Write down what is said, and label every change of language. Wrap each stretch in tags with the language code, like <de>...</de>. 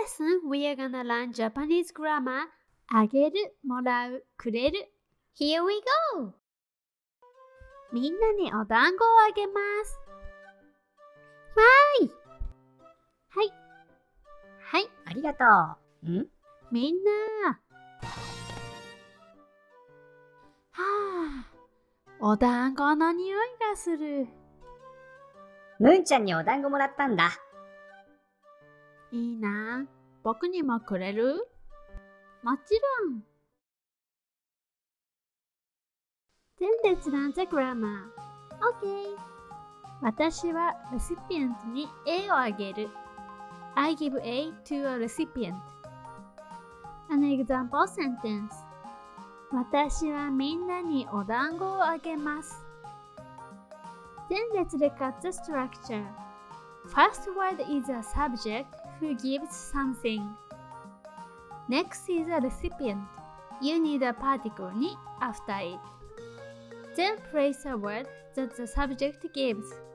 <en>In this lesson, we are gonna learn Japanese grammar.</en> <ja>ageru, morau, kureru.</ja> <en>Here we go!</en> <ja>みんなにお団子をあげます。わーい！はい。はい、ありがとう。ん？みんなー。はぁ、お団子の匂いがする。ムンちゃんにお団子もらったんだ。いいな。僕にもくれる？もちろん。</ja> <en>Then let's learn the grammar. OK.</en> <ja>私はレシピエントに A をあげる。</ja> <en>I give A to a recipient. An example sentence.</en> <ja>私はみんなにお団子をあげます。</ja> <en>Then let's look at the structure. First word is a subject who gives something. Next is a recipient. You need a particle ni after it. Then place a word that the subject gives.</en>